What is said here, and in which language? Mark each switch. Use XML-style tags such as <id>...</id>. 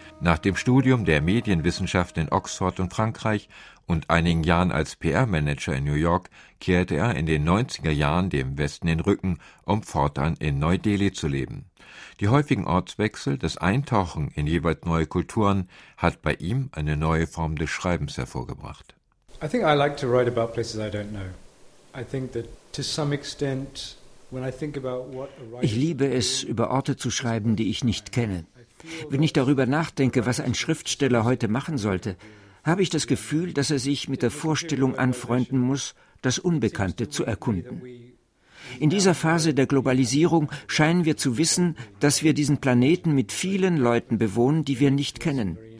<de>Nach dem Studium der Medienwissenschaft in Oxford und Frankreich und einigen Jahren als PR-Manager in New York kehrte er in den 90er Jahren dem Westen den Rücken, um fortan in Neu-Delhi zu leben. Die häufigen Ortswechsel, das Eintauchen in jeweils neue Kulturen, hat bei ihm eine neue Form des Schreibens hervorgebracht.</de> <en>I think I like to write about places I don't know. I think that to some extent, when I think about what a writer.</en> <de>Ich liebe es, über Orte zu schreiben, die ich nicht kenne. Wenn ich darüber nachdenke, was ein Schriftsteller heute machen sollte, habe ich das Gefühl, dass er sich mit der Vorstellung anfreunden muss, das Unbekannte zu erkunden. In dieser Phase der Globalisierung scheinen wir zu wissen, dass wir diesen Planeten mit vielen Leuten bewohnen, die wir nicht kennen.</de>